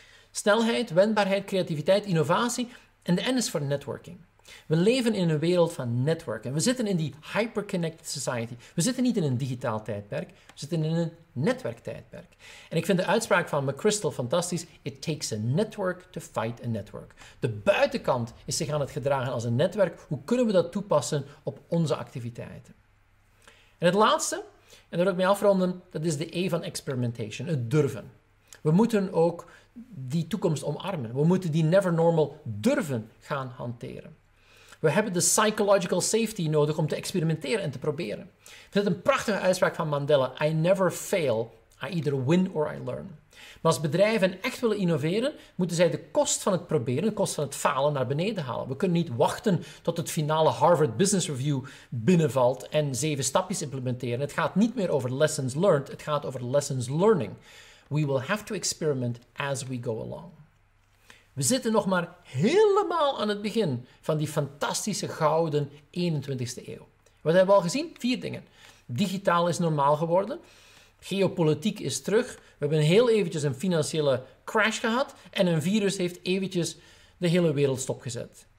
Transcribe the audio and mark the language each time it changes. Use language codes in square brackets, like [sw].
[nl] Snelheid, wendbaarheid, creativiteit, innovatie en de N is voor networking. We leven in een wereld van netwerken. We zitten in die hyperconnected society. We zitten niet in een digitaal tijdperk. We zitten in een netwerktijdperk. En ik vind de uitspraak van McChrystal fantastisch. [en] It takes a network to fight a network. [nl] De buitenkant is zich aan het gedragen als een netwerk. Hoe kunnen we dat toepassen op onze activiteiten? En het laatste, en daar wil ik mee afronden, dat is de E van experimentation. Het durven. We moeten ook die toekomst omarmen. We moeten die never normal durven gaan hanteren. We hebben de psychological safety nodig om te experimenteren en te proberen. Ik vind het een prachtige uitspraak van Mandela. [en] I never fail. I either win or I learn. [nl] Maar als bedrijven echt willen innoveren, moeten zij de kost van het proberen, de kost van het falen, naar beneden halen. We kunnen niet wachten tot het finale Harvard Business Review binnenvalt en 7 stapjes implementeren. Het gaat niet meer over [en] lessons learned, [nl] het gaat over [en] lessons learning. We will have to experiment as we go along. [nl] We zitten nog maar helemaal aan het begin van die fantastische gouden 21ste eeuw. Wat hebben we al gezien? 4 dingen. Digitaal is normaal geworden. Geopolitiek is terug. We hebben heel eventjes een financiële crash gehad. En een virus heeft eventjes de hele wereld stopgezet.